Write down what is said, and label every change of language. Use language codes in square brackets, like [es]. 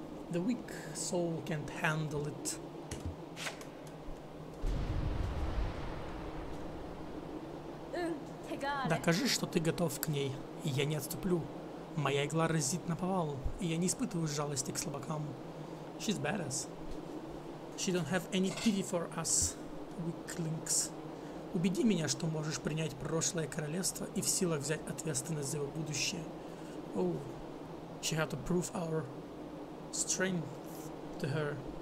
[en] The weak soul can't handle it. [ru] Докажи, что ты готов к ней, и я не отступлю. Моя игла разит наповал, и я не испытываю жалости к слабакам. [en] She's badass. She don't have any pity for us, weaklings. [ru] Убеди меня, что можешь принять прошлое королевство и в силах взять ответственность за его будущее. [en] Oh, she had to prove our strength to her.